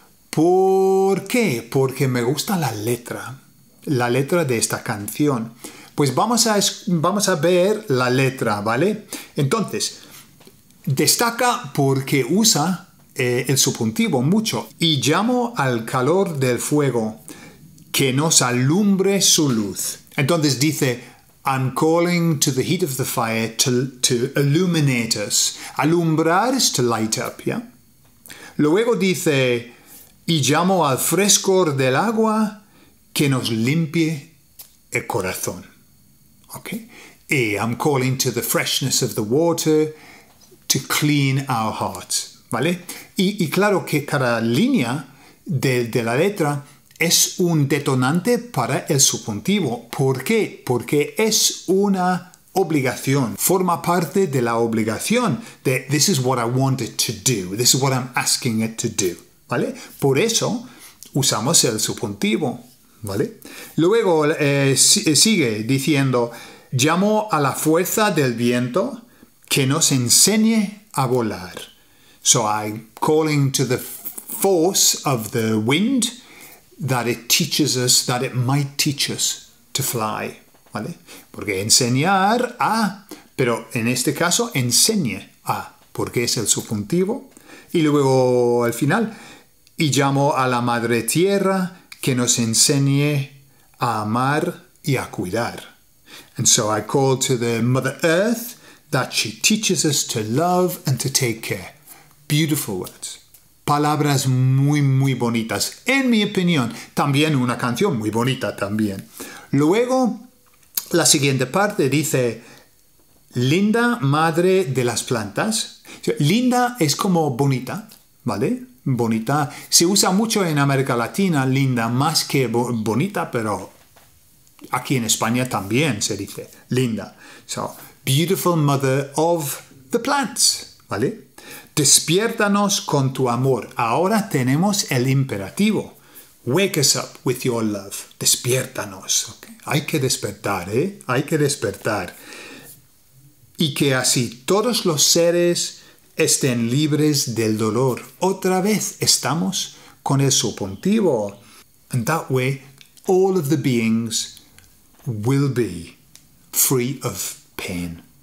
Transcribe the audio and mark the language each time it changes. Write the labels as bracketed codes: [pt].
[es] ¿Por qué? Porque me gusta la letra de esta canción. Pues vamos a ver la letra, ¿vale? Entonces, destaca porque usa el subjuntivo mucho y llamo al calor del fuego que nos alumbre su luz. Entonces dice: [en] I'm calling to the heat of the fire to illuminate us. [es] Alumbrar es [en] to light up, [es] ¿ya? Luego dice, y llamo al frescor del agua que nos limpie el corazón. Okay. [en] Y I'm calling to the freshness of the water to clean our hearts, ¿vale? [es] Y claro que cada línea de la letra es un detonante para el subjuntivo. ¿Por qué? Porque es una obligación. Forma parte de la obligación de [en] this is what I want it to do. This is what I'm asking it to do. [es] ¿Vale? Por eso usamos el subjuntivo. ¿Vale? Luego sigue diciendo: llamo a la fuerza del viento que nos enseñe a volar. [en] So I'm calling to the force of the wind. That it teaches us, that it might teach us to fly, ¿vale? [es] Porque enseñar a, pero en este caso enseñe a, porque es el subjuntivo. Y luego al final, y llamo a la madre tierra que nos enseñe a amar y a cuidar. [en] And so I call to the mother earth that she teaches us to love and to take care. Beautiful words. [es] Palabras muy, muy bonitas, en mi opinión. También una canción muy bonita también. Luego, la siguiente parte dice: Linda, madre de las plantas. Linda es como bonita, ¿vale? Bonita. Se usa mucho en América Latina, linda, más que bonita, pero aquí en España también se dice linda. [en] So, beautiful mother of the plants, [es] ¿vale? Despiértanos con tu amor. Ahora tenemos el imperativo. [en] Wake us up with your love. Despiértanos. Okay. [es] Hay que despertar, ¿eh? Hay que despertar. Y que así todos los seres estén libres del dolor. Otra vez estamos con el subjuntivo. [en] And that way, all of the beings will be free of pain.